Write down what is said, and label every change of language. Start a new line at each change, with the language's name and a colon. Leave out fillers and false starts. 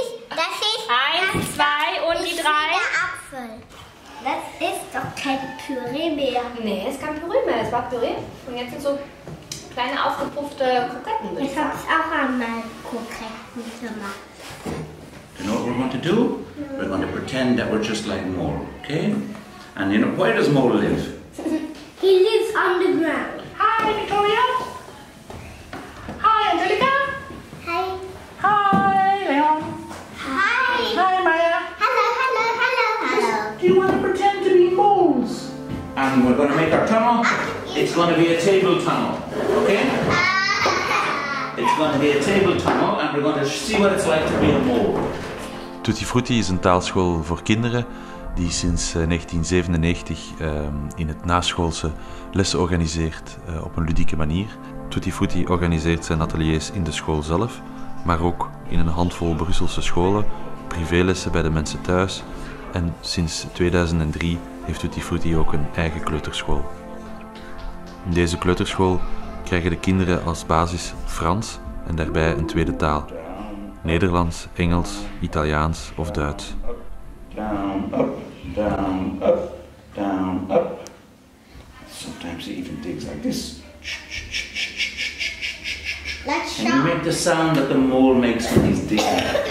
German: Das ist. Eins, das zwei und die drei. Der Apfel. Das ist doch kein Püree mehr. Nee, es ist kein Püree mehr. Es war Püree. Und jetzt sind so. Kleine aufgepuffte Kroketten. Ich habe es auch einmal Kroketten gemacht.
English: You know what we're going to do? Mm. We're going to pretend that we're just like Mole, okay? And you know, where does Mole live? He lives on the ground. Hi, Victoria. Hi, Angelica. Hi. Hi, Leon. Hi. Hi, Maya. Hello, hello, hello, hello. Do you want to pretend to be moles? And we're going to make our tunnel. It's going to be a table tunnel, okay? It's going to be a table tunnel and we're going to see what it's like to be a mole.
Dutch: Tutti Frutti is een taalschool voor kinderen die sinds 1997 in het naschoolse lessen organiseert op een ludieke manier. Tutti Frutti organiseert zijn ateliers in de school zelf, maar ook in een handvol Brusselse scholen, privélessen bij de mensen thuis en sinds 2003 heeft Tutti Frutti ook een eigen kleuterschool. In deze kleuterschool krijgen de kinderen als basis Frans en daarbij een tweede taal. Nederlands, Engels, Italiaans of Duits.
English: Down, up, down, up, down, up. Sometimes he even digs like this. Let's show. And you make the sound that the mole makes when he's digging.